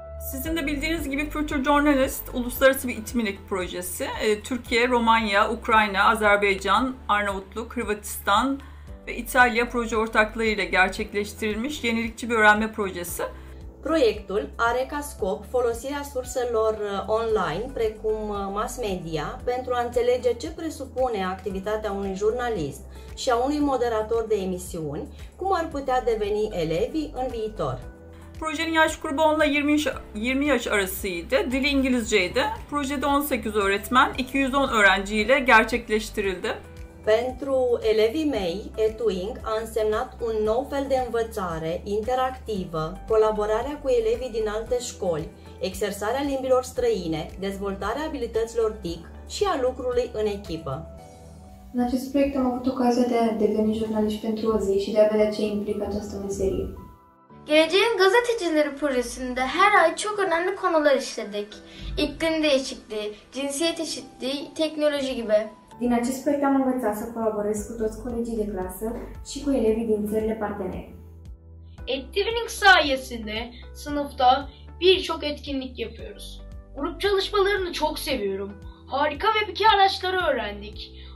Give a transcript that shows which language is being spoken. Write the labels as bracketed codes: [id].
[tr] Sizin de bildiğiniz gibi Future Journalist uluslararası bir eTwinning projesi. Türkiye, Romanya, Ukrayna, Azerbaycan, Arnavutluk, Hırvatistan ve İtalya proje ortaklarıyla gerçekleştirilmiş yenilikçi bir öğrenme projesi. [ro] Proiectul are ca scop folosirea surselor online precum mass media pentru a înțelege ce presupune activitatea unui jurnalist și a unui moderator de emisiuni, cum ar putea deveni elevii în viitor. [tr] Projenin yaş grubu 10 ile 20 yaş arasıydı. Dili İngilizceydi. Projede 18 öğretmen, 210 öğrenciyle gerçekleştirildi. [ro] Pentru elevii mei, eTwinning a însemnat un nou fel de învățare interactivă, colaborarea cu elevii din alte școli, exersarea limbilor străine, dezvoltarea abilităților TIC și a lucrului în echipă. În acest proiect am avut ocazia de a deveni jurnaliști pentru o zi și de a vedea ce implică această meserie. [tr] Geleceğin Gazetecileri projesinde her ay çok önemli konular işledik. İklim değişikliği, cinsiyet eşitliği, teknoloji gibi. [ro] Din acest proiect am învățat să colaborez cu toți colegii de clasă și cu elevii din țările partenere. [tr] eTwinning sayesinde sınıfta birçok etkinlik yapıyoruz. Grup çalışmalarını çok seviyorum. Harika webki araçları öğrendik.